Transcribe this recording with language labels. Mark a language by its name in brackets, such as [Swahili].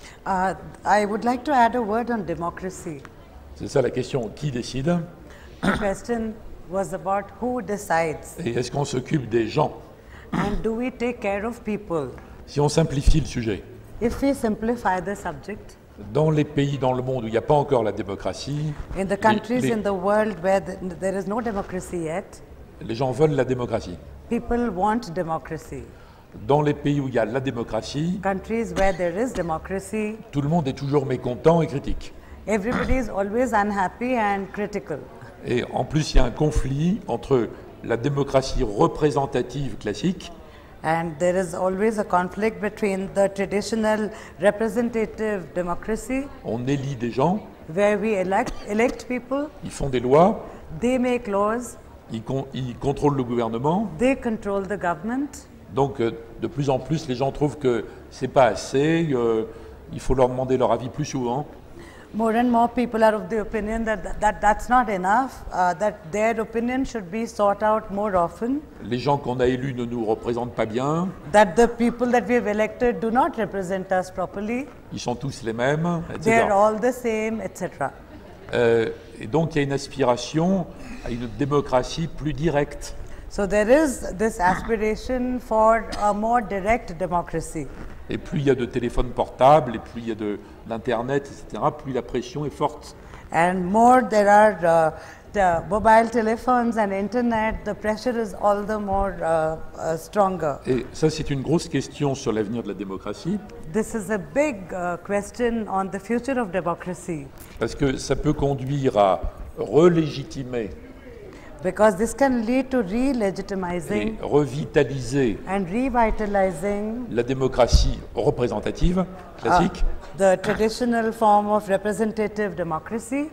[English] I would like to add a word on democracy. [French] C'est ça la question, qui décide? [English] The question was about who decides. [French] Et est-ce qu'on s'occupe des gens? [English] And do we take care of people? [French] Si on simplifie le sujet. [English] If we simplify the subject. [French] Dans les pays dans le monde où il n'y a pas encore la démocratie. [English] In the countries in the world where there is no democracy yet. [French] Les gens veulent la démocratie. [English] People want democracy. [French] Dans les pays où il y a la démocratie, [English] countries where there is democracy, [French] tout le monde est toujours mécontent et critique. [English] Everybody is always unhappy and critical. [French] Et en plus, il y a un conflit entre la démocratie représentative classique [English] and there is always a conflict between the traditional representative democracy. [French] On élit des gens. [English] Where we elect people. [French] Ils font des lois. [English] They make laws. [French] Ils contrôlent le gouvernement. [English] They control the government. [French] Donc, de plus en plus, les gens trouvent que c'est pas assez, il faut leur demander leur avis plus souvent. [English] More and more people are of the opinion that's not enough, that their opinion should be sought out more often. [French] Les gens qu'on a élus ne nous représentent pas bien. [English] That the people that we have elected do not represent us properly. [French] Ils sont tous les mêmes, etc. [English] They are all the same, etc. [French] Et donc, il y a une aspiration à une démocratie plus directe. [English] So there is this aspiration for a more direct democracy. [French] Et plus il y a de téléphones portables, et plus il y a de l'internet, etc., plus la pression est forte. [English] And more there are the mobile telephones and internet, the pressure is all the more stronger. [French] Et ça, c'est une grosse question sur l'avenir de la démocratie. [English] This is a big question on the future of democracy. [French] Parce que ça peut conduire à relégitimer. [English] Because this can lead to re-legitimizing [French] et revitaliser [English] and revitalizing [French] la démocratie représentative classique, [English] the traditional form of representative democracy,